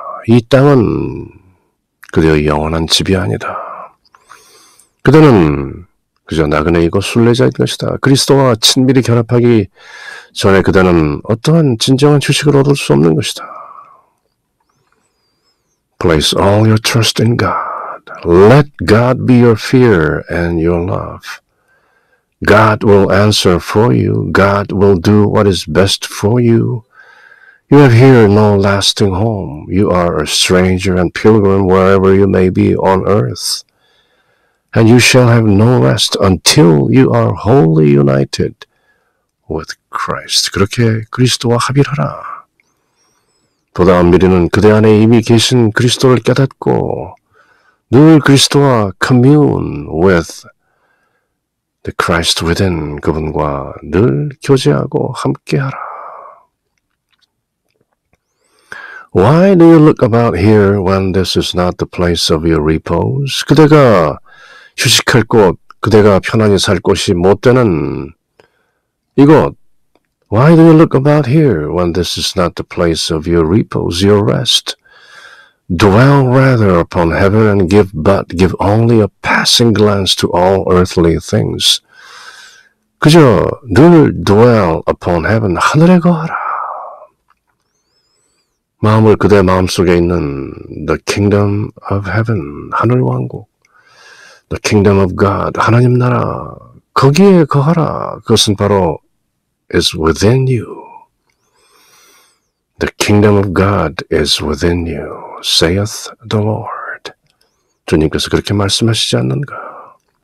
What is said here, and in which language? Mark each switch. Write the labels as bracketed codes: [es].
[ko] 이 땅은 그대의 영원한 집이 아니다. 그대는 그저 나그네이고 순례자인 것이다. 그리스도와 친밀히 결합하기 전에 그대는 어떠한 진정한 휴식을 얻을 수 없는 것이다. [en] Place all your trust in God. Let God be your fear and your love. God will answer for you. God will do what is best for you. You have here no lasting home. You are a stranger and pilgrim wherever you may be on earth. And you shall have no rest until you are wholly united with Christ. [ko] 그렇게 그리스도와 합일하라. 보다 미리는 그대 안에 이미 계신 그리스도를 깨닫고 늘 그리스도와 [en] commune with the Christ within [ko] 그분과 늘 교제하고 함께하라. [en] Why do you look about here when this is not the place of your repose? [ko] 그대가 휴식할 곳, 그대가 편안히 살 곳이 못 되는 이곳. [en] Why do you look about here when this is not the place of your repose, your rest? Dwell rather upon heaven and give only a passing glance to all earthly things. [ko] 그저 늘 [en] dwell upon heaven, [ko] 하늘에 거하라. 마음을 그대 마음속에 있는 [en] the kingdom of heaven, [ko] 하늘 왕국, [en] the kingdom of God, [ko] 하나님 나라, 거기에 거하라. 그것은 바로 [en] is within you. The kingdom of God is within you, saith the Lord. [ko] 주님께서 그렇게 말씀하시지 않는가?